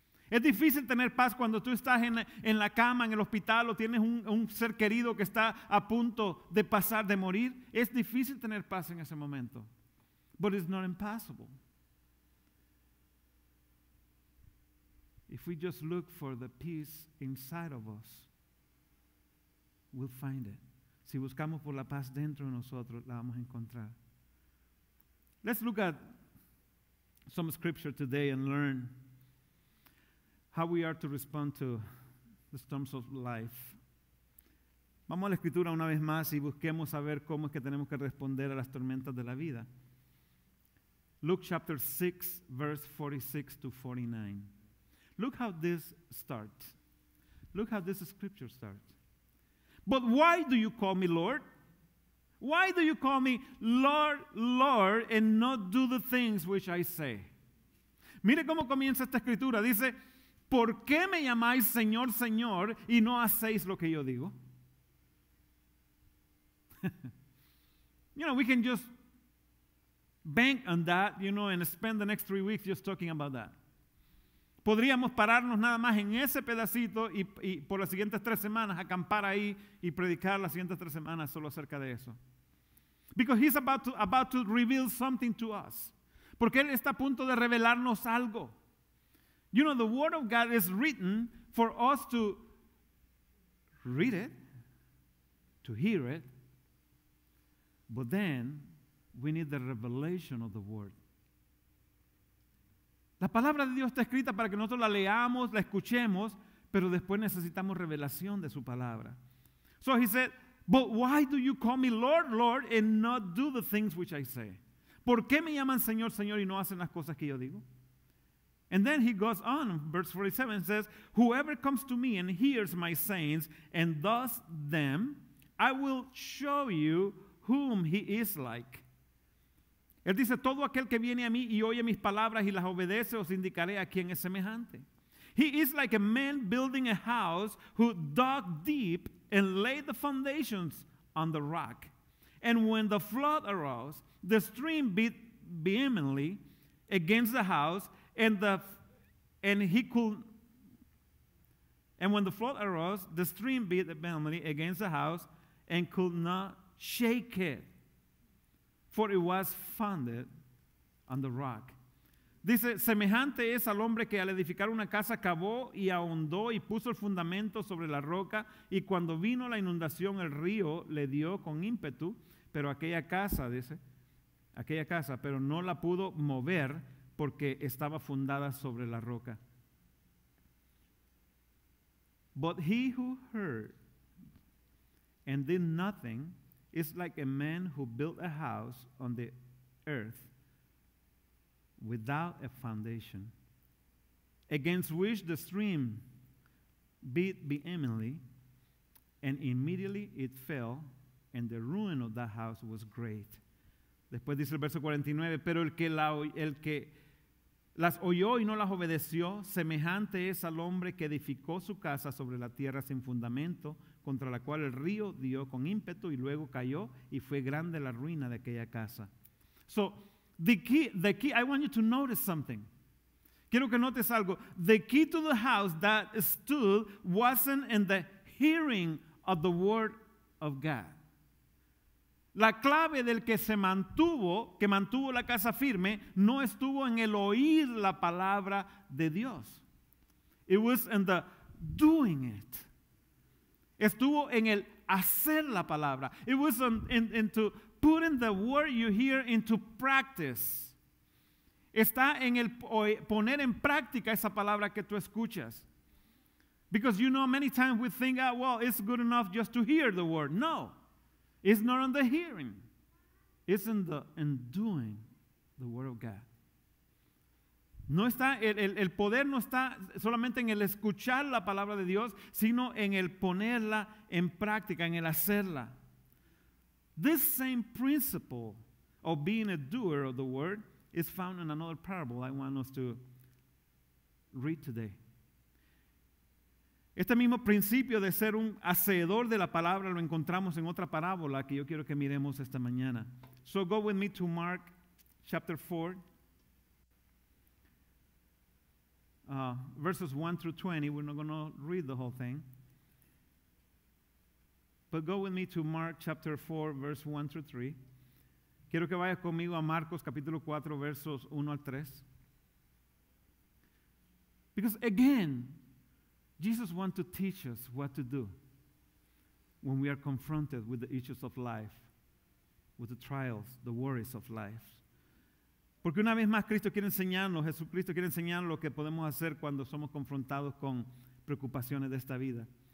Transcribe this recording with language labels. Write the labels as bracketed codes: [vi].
[es] Es difícil tener paz cuando tú estás en la cama, en el hospital, o tienes un ser querido que está a punto de pasar, de morir. Es difícil tener paz en ese momento. [en] But it's not impossible. If we just look for the peace inside of us, we'll find it. [es] Si buscamos por la paz dentro de nosotros, la vamos a encontrar. [en] Let's look at some scripture today and learn how we are to respond to the storms of life. [es] Vamos a la escritura una vez más y busquemos a ver cómo es que tenemos que responder a las tormentas de la vida. [en] Luke chapter 6, verse 46 to 49. Look how this starts. Look how this scripture starts. But why do you call me Lord? Why do you call me Lord, Lord, and not do the things which I say? [es] Mire cómo comienza esta escritura. Dice, ¿por qué me llamáis Señor, Señor y no hacéis lo que yo digo? [en] You know, we can just bank on that, you know, and spend the next 3 weeks just talking about that. [es] Podríamos pararnos nada más en ese pedacito y por las siguientes 3 semanas acampar ahí y predicar las siguientes 3 semanas solo acerca de eso. [en] Because he's about to reveal something to us. [es] Porque él está a punto de revelarnos algo. [en] You know, the Word of God is written for us to read it, to hear it, but then we need the revelation of the Word. [es] La palabra de Dios está escrita para que nosotros la leamos, la escuchemos, pero después necesitamos revelación de su palabra. [en] So he said, but why do you call me Lord, Lord, and not do the things which I say? [es] ¿Por qué me llaman Señor, Señor, y no hacen las cosas que yo digo? [en] And then he goes on, verse 47 says, whoever comes to me and hears my sayings and does them, I will show you whom he is like. [es] Él dice, todo aquel que viene a mí y oye mis palabras y las obedece, os indicaré a quién es semejante. [en] He is like a man building a house who dug deep and laid the foundations on the rock. And when the flood arose, the stream beat vehemently against the house, and when the flood arose, the stream beat vehemently against the house and could not shake it, for it was founded on the rock. [es] Dice, semejante es al hombre que al edificar una casa cavó y ahondó y puso el fundamento sobre la roca, y cuando vino la inundación, el río le dio con ímpetu, pero aquella casa, dice, aquella casa, pero no la pudo mover, porque estaba fundada sobre la roca. [en] But he who heard and did nothing is like a man who built a house on the earth without a foundation, against which the stream beat vehemently, and immediately it fell, and the ruin of that house was great. [es] Después dice el verso 49, pero el que las oyó y no las obedeció, semejante es al hombre que edificó su casa sobre la tierra sin fundamento, contra la cual el río dio con ímpetu y luego cayó, y fue grande la ruina de aquella casa. [en] So, the key, I want you to notice something. [es] Quiero que notes algo. [en] The key to the house that stood wasn't in the hearing of the word of God. [es] La clave del que mantuvo la casa firme, no estuvo en el oír la palabra de Dios. [en] It was in the doing it. [es] Estuvo en el hacer la palabra. [en] It was into putting the word you hear into practice. [es] Está en el poner en práctica esa palabra que tú escuchas. [en] Because you know, many times we think, oh, well, it's good enough just to hear the word. No. It's not in the hearing. It's in doing the word of God. [es] No está, el poder no está solamente en el escuchar la palabra de Dios, sino en el ponerla en práctica, en el hacerla. [en] This same principle of being a doer of the word is found in another parable I want us to read today. [es] Este mismo principio de ser un hacedor de la palabra lo encontramos en otra parábola que yo quiero que miremos esta mañana. [en] So go with me to Mark chapter 4, verses 1 through 20. We're not going to read the whole thing. But go with me to Mark chapter 4, verse 1 through 3. [es] Quiero que vayas conmigo a Marcos capítulo 4, versos 1 al 3. [en] Because again, Jesus wants to teach us what to do when we are confronted with the issues of life, with the trials, the worries of life. [es] Porque una vez más Jesucristo quiere enseñarnos lo que podemos hacer cuando somos confrontados con preocupaciones de esta vida.